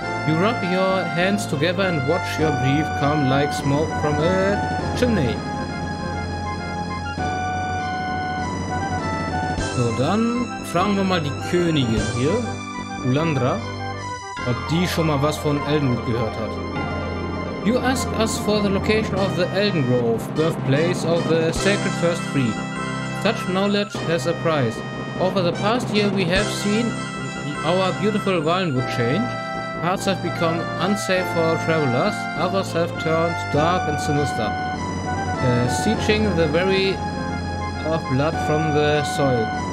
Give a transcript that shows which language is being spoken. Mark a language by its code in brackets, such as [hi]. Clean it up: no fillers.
[en] You rub your hands together and watch your breath come like smoke from a chimney. [de] So, dann fragen wir mal die Königin hier, Ulandra, ob die schon mal was von Eldenwood gehört hat. [en] You ask us for the location of the Elden Grove, birthplace of the sacred first tree. Such knowledge has a price. Over the past year we have seen our beautiful Valenwood change. Parts have become unsafe for travelers, others have turned dark and sinister, seeching the very of blood from the soil.